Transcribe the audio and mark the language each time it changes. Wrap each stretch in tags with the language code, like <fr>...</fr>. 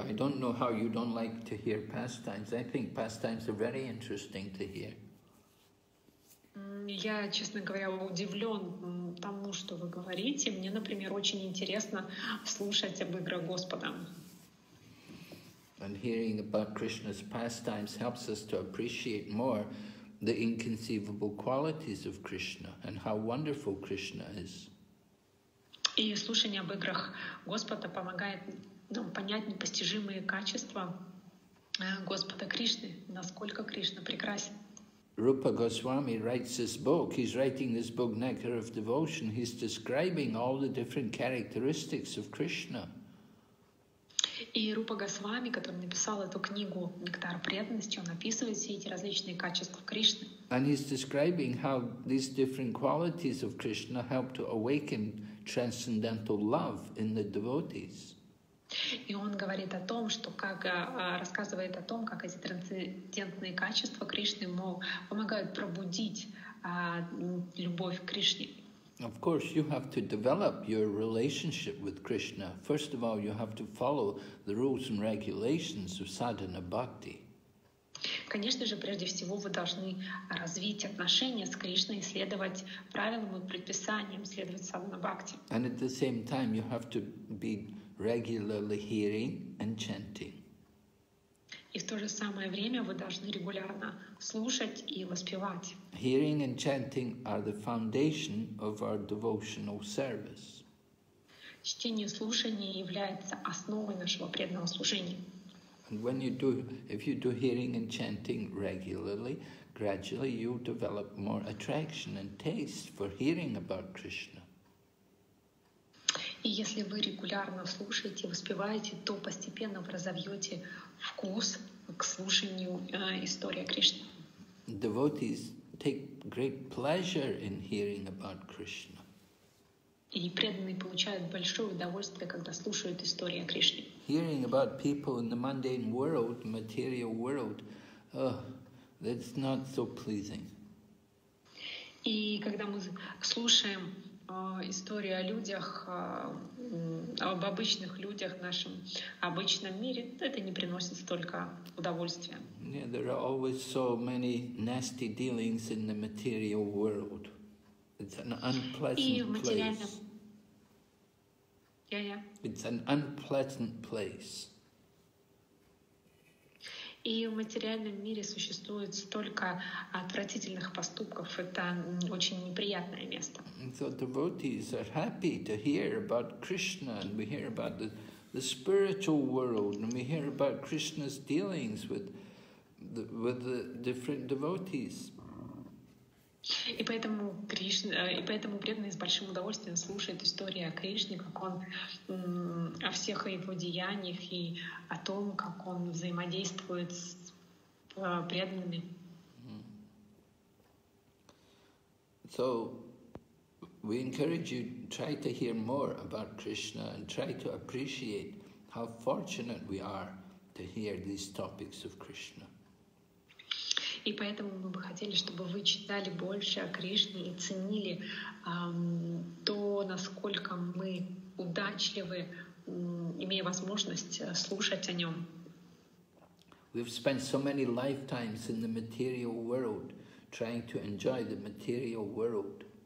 <en>I don't know how you don't like to hear pastimes. I think pastimes are very interesting to hear.</en> <ru>Я, честно говоря, удивлен тому, что вы говорите. Мне, например, очень интересно слушать об играх Господа.</ru> <en>And hearing about Krishna's pastimes helps us to appreciate more the inconceivable qualities of Krishna and how wonderful Krishna is.</en> <ru>И слушание об играх Господа помогает нам понять непостижимые качества Господа Кришны, насколько Кришна прекрасен.</ru> <en>Rupa Goswami writes this book. He's writing this book, Nectar of Devotion. He's describing all the different characteristics of Krishna.</en> <ru>И Рупа Госвами, который написал эту книгу «Нектар преданности», он описывает все эти различные качества Кришны.</ru> <en>And he's describing how these different qualities of Krishna help to awaken transcendental love in the devotees.</en> <ru>И он говорит о том, что как рассказывает о том, как эти трансцендентные качества Кришны помогают пробудить любовь к Кришне.</ru> <en>Of course, you have to develop your relationship with Krishna. First of all, you have to follow the rules and regulations of sadhana bhakti.</en> <ru>Конечно же, прежде всего, вы должны развить отношения с Кришной, следовать правилам и предписаниям, следовать садхана бхакти.</ru> <en>And at the same time, you have to be regularly hearing and chanting.</en> <ru>И в то же самое время вы должны регулярно слушать и воспевать.</ru> <en>Hearing and chanting are the foundation of our devotional service.</en> <ru>Чтение и слушание является основой нашего преданного служения.</ru> <en>And when you do, if you do hearing and chanting regularly, gradually you develop more attraction and taste for hearing about Krishna.</en> <ru>И если вы регулярно слушаете, воспеваете, то постепенно вы разовьете вкус к слушанию истории о Кришне.</ru> <en>Devotees take great pleasure in hearing about Krishna.</en> <ru>И преданные получают большое удовольствие, когда слушают истории о Кришне.</ru> <en>Hearing about people in the mundane world, material world, that's not so pleasing.</en> <ru>И когда мы слушаем истории о людях, об обычных людях в нашем обычном мире, это не приносит столько удовольствия.</ru> <en>Yeah, there are always so many nasty dealings in the material world. It's an unpleasant place. Yeah. It's an unpleasant place.</en> <ru>И в материальном мире существует столько отвратительных поступков. Это очень неприятное место.</ru> <en>So devotees are happy to hear about Krishna, and we hear about the spiritual world, and we hear about Krishna's dealings with with the different devotees.</en> <ru>И поэтому преданные с большим удовольствием слушают историю о Кришне, как он о всех его деяниях и о том, как он взаимодействует с преданными.</ru> <en>So we encourage you to try to hear more about Krishna and try to appreciate how fortunate we are to hear these topics of Krishna.</en> <ru>И поэтому мы бы хотели, чтобы вы читали больше о Кришне и ценили то, насколько мы удачливы, имея возможность слушать о нем.</ru> <en>We've spent so many lifetimes in the material world, trying to enjoy the material world.</en>